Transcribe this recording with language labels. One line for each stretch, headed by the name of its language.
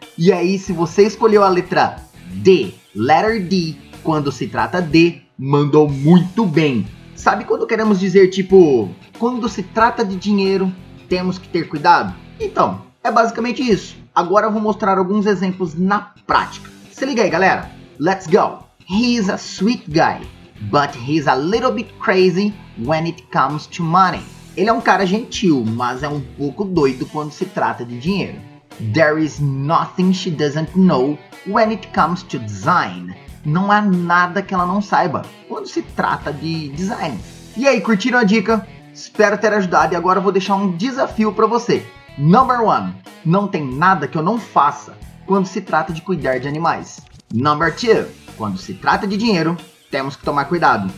Portuguese: E aí, se você escolheu a letra D,
English: letter D,
Portuguese: quando se trata de, mandou muito bem. Sabe quando queremos dizer, tipo, quando se trata de dinheiro, temos que ter cuidado? Então, é basicamente isso. Agora eu vou mostrar alguns exemplos na prática. Se liga aí, galera.
English: Let's go. He's a sweet guy, but he's a little bit crazy when it comes to money.
Portuguese: Ele é um cara gentil, mas é um pouco doido quando se trata de dinheiro.
English: There is nothing she doesn't know when it comes to design.
Portuguese: Não há nada que ela não saiba quando se trata de design. E aí, curtiram a dica? Espero ter ajudado e agora eu vou deixar um desafio para você.
English: Number 1.
Portuguese: Não tem nada que eu não faça quando se trata de cuidar de animais.
English: Number 2.
Portuguese: Quando se trata de dinheiro, temos que tomar cuidado.